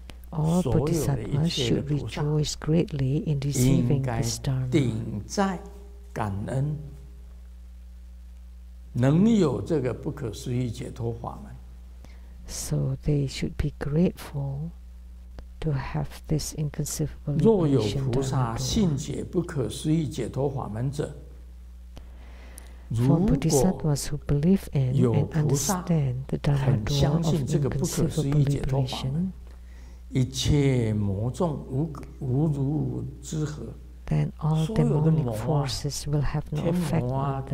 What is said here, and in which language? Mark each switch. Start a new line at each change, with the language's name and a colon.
English: all bodhisattvas should rejoice greatly in receiving this dharma.
Chinese: 顶在感恩，能有这个不可思议解脱法门。
English: So they should be grateful to have this inconceivable.
Chinese: 若有菩萨信解不可思议解脱法门者，
English: For bodhisattvas who believe in and understand the dharma door of inconceivable liberation,
Chinese: 一切魔众无如之何，
English: then all demonic forces will have no effect on them.